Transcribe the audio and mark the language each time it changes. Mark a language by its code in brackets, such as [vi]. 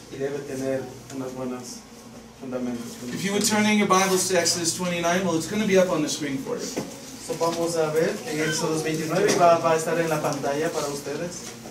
[es] Y debe tener unas buenas fundamentos. [en] If you would turn in your Bibles to Exodus 29, well, it's going to be up on the screen for you. [es] So vamos a ver en Exodus 29 va a estar en la pantalla para ustedes.